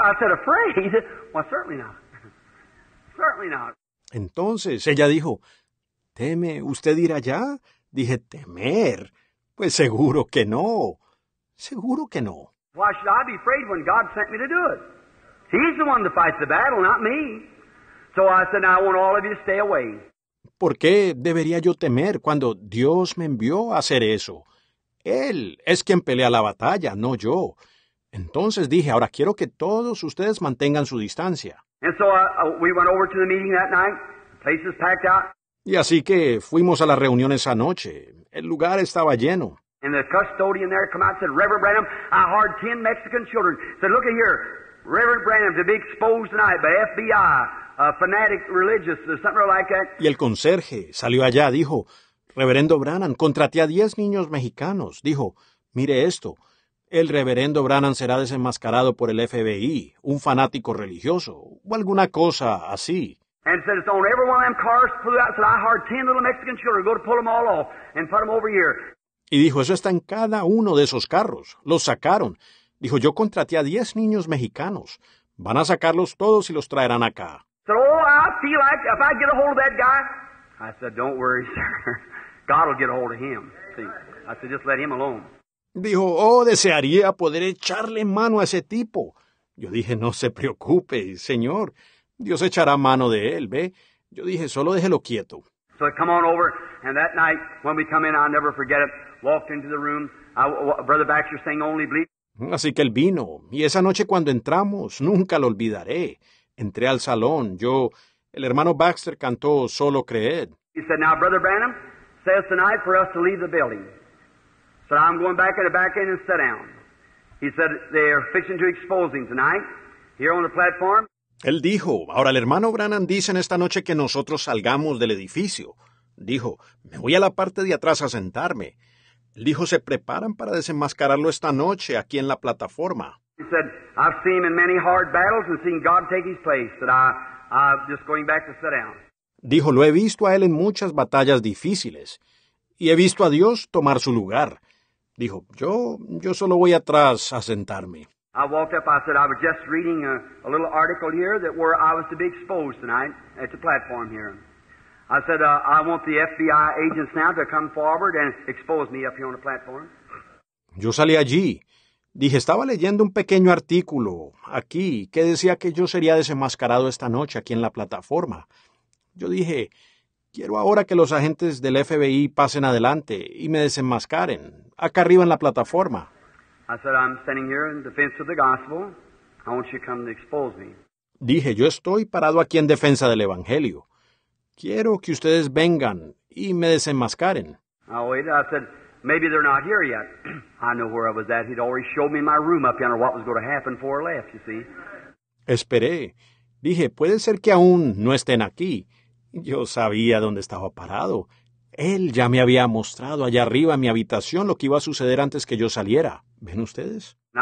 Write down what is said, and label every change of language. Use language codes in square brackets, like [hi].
[en] I said, afraid? Well, certainly not. Certainly not. [es] Entonces, ella dijo, ¿teme usted ir allá? Dije, ¿temer? Pues seguro que no. Seguro que no. [en] Why should I be afraid when God sent me to do it? He's the one that fights the battle, not me. So I said, I want all of you to stay away. [es] ¿Por qué debería yo temer cuando Dios me envió a hacer eso? Él es quien pelea la batalla, no yo. Entonces dije, ahora quiero que todos ustedes mantengan su distancia. [en] And so we went over to the meeting that night. Place is packed out. [es] Y así que fuimos a la reunión esa noche. El lugar estaba lleno. [en] And the custodian there come out and said, Reverend Branham, I heard 10 Mexican children. Said, look at here, Reverend Branham, to be exposed tonight by FBI, a fanatic religious or something like that. [es] Y el conserje salió allá, dijo, Reverendo Branham, contraté a 10 niños mexicanos. Dijo, mire esto, el Reverendo Branham será desenmascarado por el FBI, un fanático religioso, o alguna cosa así. [en] And said, it's on every one of them cars flew out. Said, I heard 10 little Mexican children go to pull them all off and put them over here. [es] Y dijo, eso está en cada uno de esos carros. Los sacaron. Dijo, yo contraté a 10 niños mexicanos. Van a sacarlos todos y los traerán acá. [en] Said, oh, I feel like if I get a hold of that guy. I said, don't worry, sir. God will get a hold of him. See, I said, just let him alone. [es] Dijo, oh, desearía poder echarle mano a ese tipo. Yo dije, no se preocupe, señor. Dios echará mano de él, ¿ve? Yo dije, solo déjelo quieto. [en] So come on over, and that night, when we come in, I'll never forget it, walked into the room, Brother Baxter sang only bleep. [es] Así que él vino, y esa noche cuando entramos, nunca lo olvidaré. Entré al salón, el hermano Baxter cantó solo creed. [en] He said, now Brother Branham says tonight for us to leave the building. So I'm going back in the back end and sit down. He said, they are fixing to expose him tonight, here on the platform. [es] Él dijo, ahora el hermano Branham dice en esta noche que nosotros salgamos del edificio. Dijo, me voy a la parte de atrás a sentarme. Él dijo, se preparan para desenmascararlo esta noche aquí en la plataforma. [en] He said, I've seen him in many hard battles and seen God take his place, that I'm just going back to sit down. [es] Dijo, lo he visto a él en muchas batallas difíciles y he visto a Dios tomar su lugar. Dijo, yo solo voy atrás a sentarme. [en] I walked up, I said, I was just reading a little article here that where I was to be exposed tonight at the platform here. I said, I want the FBI agents now to come forward and expose me up here on the platform. [es] Yo salí allí. Dije, estaba leyendo un pequeño artículo aquí que decía que yo sería desenmascarado esta noche aquí en la plataforma. Yo dije, quiero ahora que los agentes del FBI pasen adelante y me desenmascaren acá arriba en la plataforma. [en] I said, I'm standing here in defense of the gospel. I want you to come to expose me. [es] Dije, yo estoy parado aquí en defensa del evangelio. Quiero que ustedes vengan y me desenmascaren. [en] I said, maybe they're not here yet. I know where I was at. He'd already showed me my room up yonder, what was going to happen before I left, you see. [es] Esperé. Dije, puede ser que aún no estén aquí. Yo sabía dónde estaba parado. Él ya me había mostrado allá arriba en mi habitación lo que iba a suceder antes que yo saliera. ¿Ven ustedes?